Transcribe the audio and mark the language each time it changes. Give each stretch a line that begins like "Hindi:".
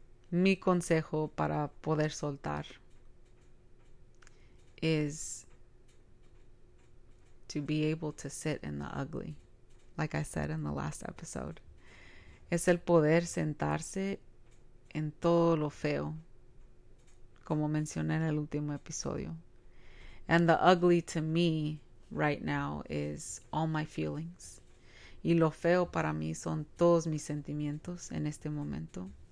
Spanish: Mi consejo para poder soltar
English: is to be able to sit in the ugly, like I said in the last episode.
Spanish: Es el poder sentarse en todo lo feo, como mencioné en el último episodio.
English: And the ugly to me right now is all my feelings.
Spanish: Y lo feo para mí son todos mis sentimientos en este momento.